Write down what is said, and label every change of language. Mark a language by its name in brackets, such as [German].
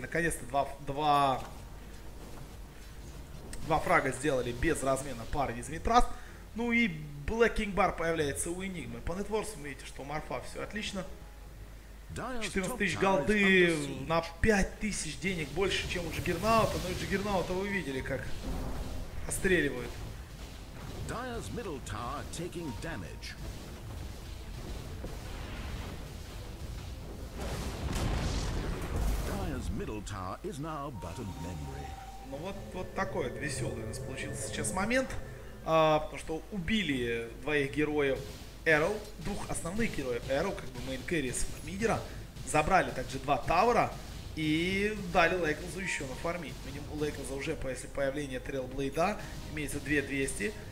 [Russian] Наконец-то два фрага сделали без размена парни из Митраст. Ну и Black King Bar появляется у Энигмы. По нетворсу вы видите, что Марфа все отлично. 14 тысяч голды на 5 тысяч денег больше, чем у Джиггернаута. Ну и Джиггернаута вы видели, как отстреливают. [English] Dire's middle tower taking damage. Middle tower is now but a memory. [Russian] Ну вот такой вот веселый у нас получился сейчас момент. Потому что убили двоих героев Arrow, двух основных героев Arrow, как бы main carry с мидера. Забрали также два таура и дали Лейклзу еще нафармить. Видим, у Лейклза уже после появления Трейлблейда имеется 2200.